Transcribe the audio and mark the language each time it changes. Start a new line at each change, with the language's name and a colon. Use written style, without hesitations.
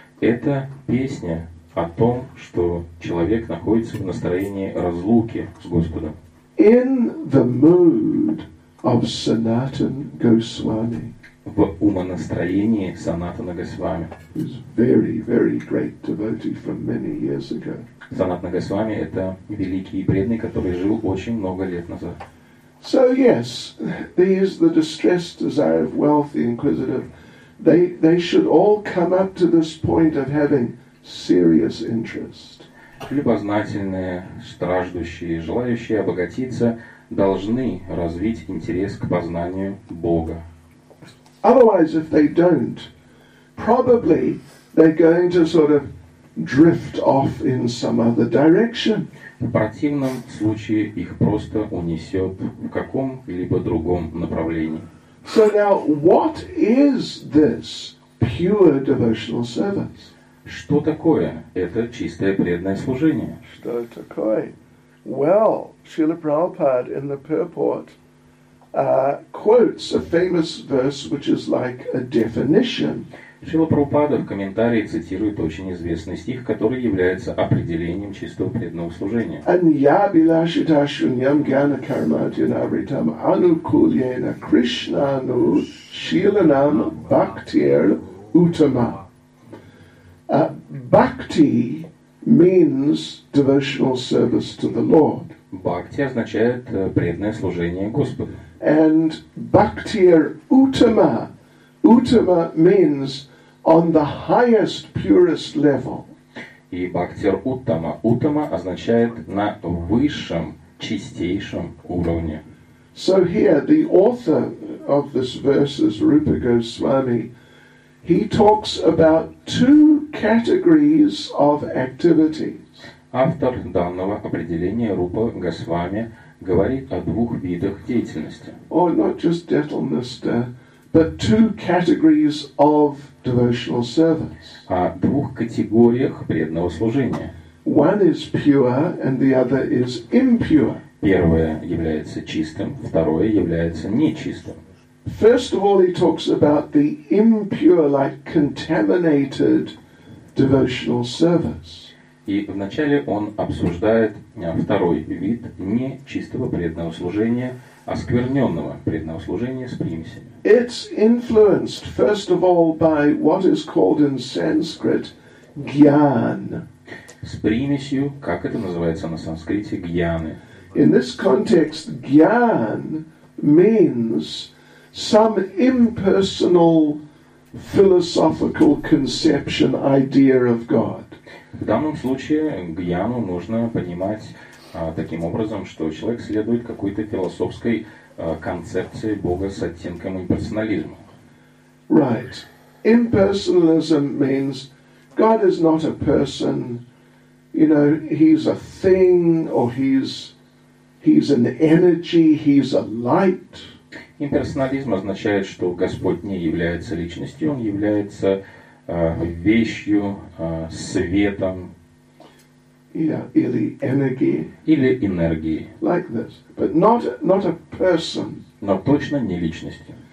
Russian: Это песня о том, что человек находится в настроении разлуки с Господом.
English: In the mood of Sanatan Goswami.
Russian: В умонастроении Санатана Госвами.
English: He's very, very great devotee from many years ago.
Russian: Санатана Госвами – это великий преданный, который жил очень много лет назад.
English: So yes, these the distressed desire of wealth, the inquisitive. They should all come up to this point of having serious interest.
Russian: Любознательные, страждущие, желающие обогатиться, должны развить интерес к познанию Бога.
English: Otherwise, if they don't, probably they're going to sort of drift off in some other direction.
Russian: В противном случае их просто унесет в каком-либо другом направлении.
English: So now, what is this pure devotional service?
Russian: Что такое это чистое преданное служение? Что такое?
English: Well, Srila Prabhupada in the purport quotes a famous verse, which is like a definition.
Russian: Srila Prabhupada в комментарии цитирует очень известный стих, который является определением чистого преданного служения.
Sanskrit: Аньябилашита шуньям гьяна кармадьяна вритам анукульена кришнану шиланам бхактир утама.
English: Бхакти means devotional service to the Lord.
Russian: Бхакти означает преданное служение Господу.
English: And бхактир утама. Утама means on the highest, purest level.
Russian: И бхактир уттама. Уттама означает на высшем, чистейшем уровне.
English: So here, the author of this verse is Rupa Goswami. He talks about two categories of activities.
Russian: Автор данного определения Рупа Госвами говорит о двух видах деятельности.
English: Oh, not just gentleness, but two categories of devotional service.
Russian: О двух категориях преданного служения.
English: One is pure and the other is impure.
Russian: Первое является чистым, второе является нечистым.
English: First of all, he talks about the impure, like contaminated devotional service.
Russian: И вначале он обсуждает второй вид нечистого преданного служения, оскверненного преданного служения с примесями.
English: It's influenced, first of all, by what is called in Sanskrit gyan.
Russian: С примесью, как это называется на санскрите, гьяны.
English: In this context, gyan means some impersonal philosophical conception, idea of God.
Russian: В данном случае гьяну нужно понимать таким образом, что человек следует какой-то философской концепции Бога с оттенком имперсонализма.
English: Right. Impersonalism means God is not a person. You know, he's a thing, or he's an energy, he's a light.
Russian: Имперсонализм означает, что Господь не является личностью, он является вещью, светом. Yeah, или энергией. Или энергией.
English: Like this, but not a person.
Russian: Но точно не личностью.